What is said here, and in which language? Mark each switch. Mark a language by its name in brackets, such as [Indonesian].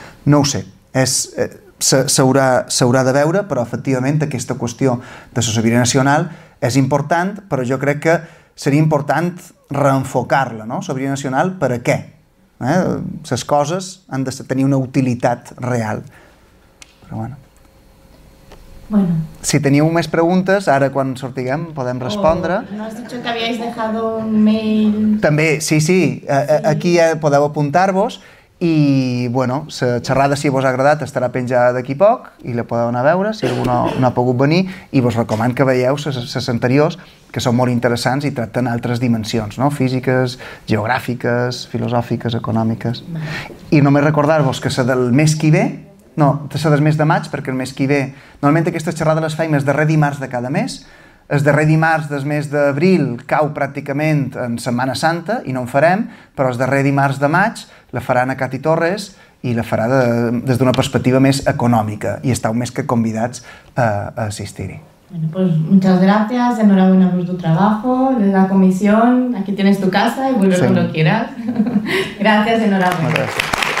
[Catalan] No ho sé, s'haurà de veure, però efectivament aquesta qüestió de la sobirania nacional és important, però jo crec que seria important reenfocar-la, no? Sobirania nacional, per a què? Les coses han de tenir una utilitat real. Però bueno. Bueno. Si teniu més preguntes, ara quan sortiguem podem respondre. [Spanish] No has dicho que habíais dejado un mail... [Catalan] També, sí, sí, sí. Aquí podeu apuntar-vos i, bueno, la xerrada, si vos ha agradat, estarà penjada d'aquí poc i la podeu anar a veure si algú no ha pogut venir, i vos recomano que veieu les anteriors, que són molt interessants i tracten altres dimensions, no? Físiques, geogràfiques, filosòfiques, econòmiques. I només recordar-vos que la del mes que ve... No, s'ha del mes de maig, perquè el mes que ve... Normalment aquesta xerrada les feim el darrer dimarts de cada mes. El darrer dimarts del mes d'abril cau pràcticament en Setmana Santa i no en farem, però el darrer dimarts de maig la faran a Cati Torres i la farà des d'una perspectiva més econòmica, i estàu més que convidats a assistir-hi. [Spanish] Bueno, pues muchas gracias, enhorabuena por tu trabajo, la comisión, aquí tienes tu casa y vuelve cuando quieras. Gracias, enhorabuena. Gracias.